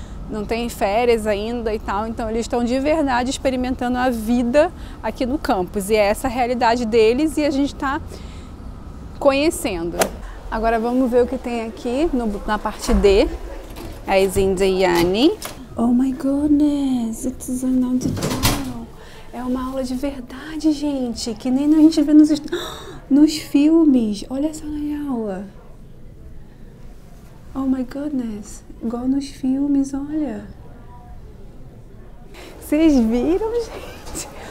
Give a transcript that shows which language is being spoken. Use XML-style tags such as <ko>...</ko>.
<pt>Não tem férias ainda e tal, então eles estão de verdade experimentando a vida aqui no campus. E é essa a realidade deles e a gente está conhecendo. Agora vamos ver o que tem aqui no, na parte D. As Indiani.</pt> <en>Oh my goodness, it's an auditorium.</en> <pt>É uma aula de verdade, gente. Que nem a gente vê nos filmes. Olha essa aula.</pt> <en>Oh my goodness.</en> <pt>Igual nos filmes, olha. Vocês viram, gente?</pt>